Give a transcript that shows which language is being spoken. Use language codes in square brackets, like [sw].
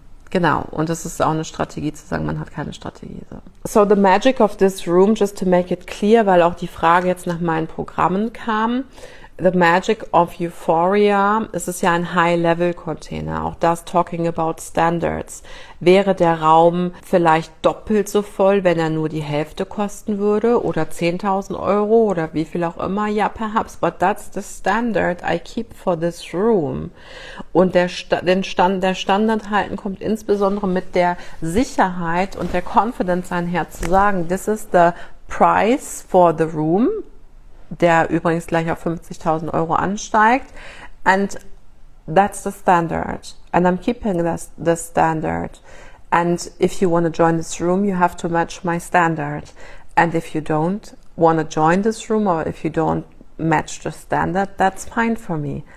[de] Genau, und das ist auch eine Strategie zu sagen, man hat keine Strategie. [en] So the magic of this room, just to make it clear, [de] weil auch die Frage jetzt nach meinen Programmen kam, [en] the magic of Euphoria, [de] es ist ja ein High-Level-Container, auch das [en] talking about standards. [de] Wäre der Raum vielleicht doppelt so voll, wenn er nur die Hälfte kosten würde oder 10.000 Euro oder wie viel auch immer? [en] Ja, perhaps, but that's the standard I keep for this room. [de] Und der Standard halten kommt insbesondere mit der Sicherheit und der Confidence einher zu sagen, [en] this is the price for the room, [de] der übrigens gleich auf 50.000 Euro ansteigt. [en] And that's the standard. And I'm keeping the standard. And if you want to join this room, you have to match my standard. And if you don't want to join this room or if you don't match the standard, that's fine for me.